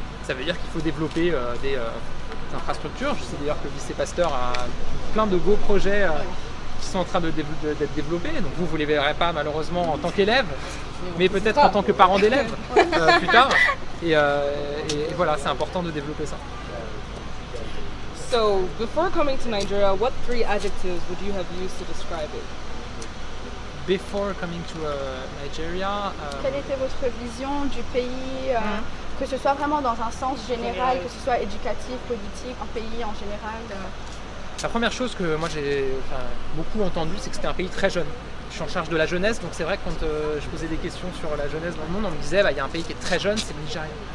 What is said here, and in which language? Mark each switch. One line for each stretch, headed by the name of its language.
French: Ça veut dire qu'il faut développer des infrastructures. Je sais d'ailleurs que le lycée Pasteur a plein de beaux projets qui sont en train d'être développés. Donc vous ne les verrez pas malheureusement en tant qu'élève, mais peut-être en tant que parent d'élève plus tard. Et voilà, c'est important de développer ça.
English: So, before coming to Nigeria, what three adjectives would you have used to describe it? Before coming to Nigeria...
French: Quelle était votre vision du pays, que ce soit vraiment dans un sens général, que ce soit éducatif, politique, un pays en général La première chose que moi j'ai beaucoup entendu, c'est que c'était un pays très jeune. Je suis en charge de la jeunesse, donc c'est vrai que quand je posais des questions sur la jeunesse dans le monde, on me disait il y a un pays qui est très jeune, c'est le Nigeria.